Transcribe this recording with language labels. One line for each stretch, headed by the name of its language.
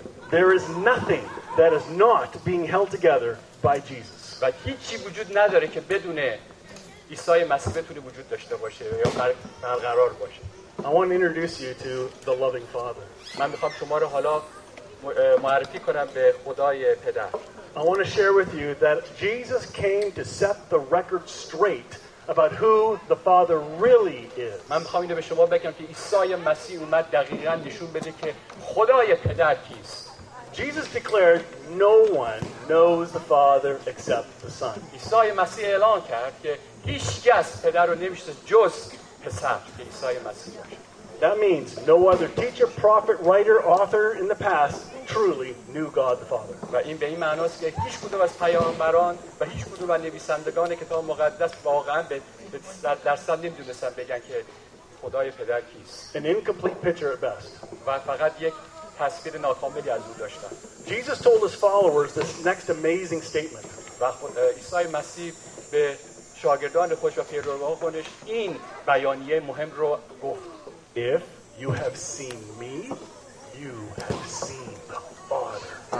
English: There is nothing that is not being held together by Jesus.
Persian: But هیچی وجود نداره که بدون عیسی مسیح بتونه وجود داشته باشه یا برقرار باشه.
English: I want to introduce you to the loving Father.
Persian: من میخوام شما رو حالا معرفی کنم به خدای پدر.
English: I want to share with you that Jesus came to set the record straight about who the Father really is.
Persian: من می‌خوام اینو به شما بگم که عیسی مسیح اومد دقیقاً نشون بده که خدای پدر کیست.
English: Jesus declared, "No one knows the Father except the Son."
Persian: عیسی مسیح اعلان کرد که هیچ کس پدر رو نمی‌شناسه جز پسر که عیسی مسیح باشه.
English: That means no other teacher, prophet, writer, author in the past truly knew God the Father.
Persian: و این به این معناست که هیچ کدوم از پیامبران و هیچ کدوم از نویسندگان کتاب مقدس واقعا به 100% نمیدونستن بگن که خدای پدر کیست.
English: An incomplete picture at best.
Persian: و فقط یک تصویر ناکاملی از او داشتن.
English: Jesus told his followers this next amazing statement.
Persian: و عیسی مسیح به شاگردان خودش و پیروانش این بیانیه مهم رو گفت.
English: If you have seen me, you have seen the Father.